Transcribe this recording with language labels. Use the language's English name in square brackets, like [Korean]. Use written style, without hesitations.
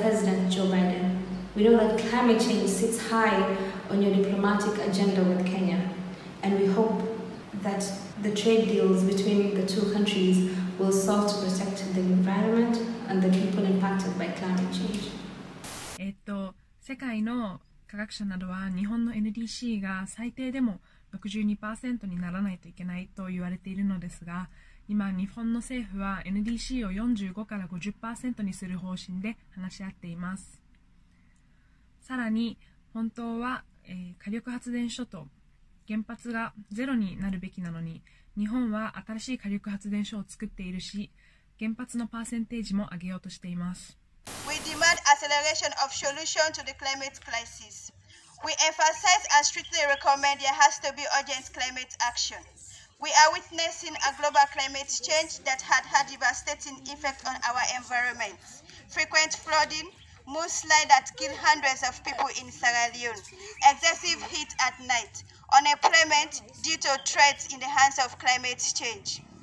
[English] President Joe Biden, we know that climate change sits high on your diplomatic agenda with Kenya, and we hope that the trade deals between the two countries will serve to protect the environment and the people impacted by climate change. [Japanese] 世界の科学者などは日本の NDC が最低でも 62% にならないといけないと言われているのですが、今日本の政府は NDC を45から 50% にする方針で話し合っています。さらに本当は、火力発電所と原発がゼロになるべきなのに、日本は新しい火力発電所を作っているし、原発のパーセンテージも上げようとしています。 [English] We demand acceleration of solution to the climate crisis. We emphasize and strictly recommend there has to be urgent climate action. We are witnessing a global climate change that had had devastating effect on our environment. Frequent flooding, mudslide that killed hundreds of people in Sierra Leone, excessive heat at night, unemployment due to threats in the hands of climate change.